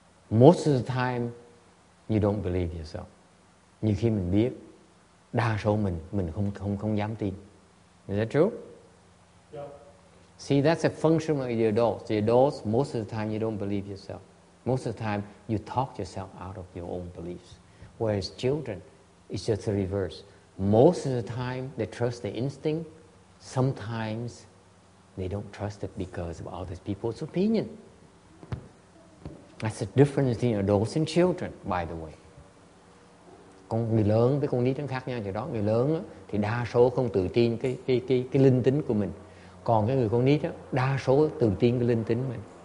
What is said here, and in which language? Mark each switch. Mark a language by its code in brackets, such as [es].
[en] Most of the time, you don't believe yourself. [vi] Nhiều khi mình biết, đa số mình không dám tin. [en] Is that true? See, that's a function of the adults. The adults, most of the time, you don't believe yourself. Most of the time, you talk yourself out of your own beliefs. Whereas children, it's just the reverse. Most of the time, they trust the instinct. Sometimes, they don't trust it because of other people's opinion. That's the difference between adults and children, by the way. [vi] Con người lớn với con nít khác nhau. Thì đó, người lớn thì đa số không tự tin cái linh tính của mình. Còn cái người con nít đó, đa số tự tin cái linh tính mình.